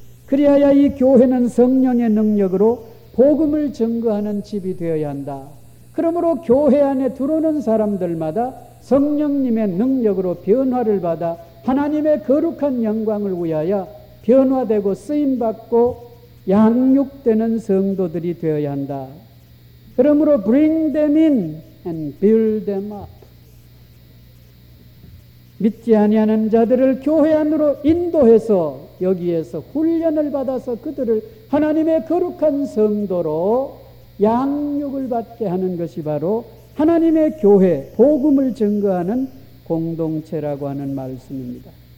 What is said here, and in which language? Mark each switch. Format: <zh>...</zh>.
<ko>그리하여 이 교회는 성령의 능력으로 복음을 증거하는 집이 되어야 한다. 그러므로 교회 안에 들어오는 사람들마다 성령님의 능력으로 변화를 받아 하나님의 거룩한 영광을 위하여 변화되고 쓰임받고 양육되는 성도들이 되어야 한다. 그러므로</ko> <en>bring them in and build them up.</en> <ko>믿지 아니하는 자들을 교회 안으로 인도해서 여기에서 훈련을 받아서 그들을 하나님의 거룩한 성도로 양육을 받게 하는 것이 바로 하나님의 교회, 복음을 증거하는 공동체라고 하는 말씀입니다.</ko>